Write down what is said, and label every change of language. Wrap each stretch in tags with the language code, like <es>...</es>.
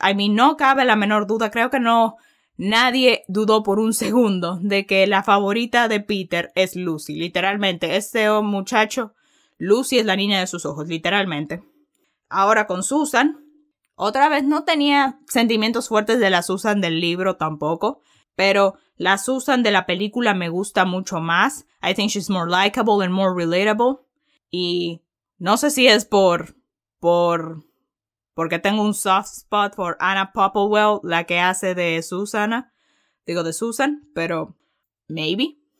<en>I mean,</en> <es>no cabe la menor duda, creo que no, nadie dudó por un segundo de que la favorita de Peter es Lucy. Literalmente, ese muchacho, Lucy es la niña de sus ojos, literalmente. Ahora con Susan. Otra vez, no tenía sentimientos fuertes de la Susan del libro tampoco, pero la Susan de la película me gusta mucho más.</es> <en>I think she's more likable and more relatable.</en> <es>Y no sé si es porque tengo un</es> <en>soft spot for</en> <es>Anna Popplewell, la que hace de Susana, de Susan, pero maybe.</es>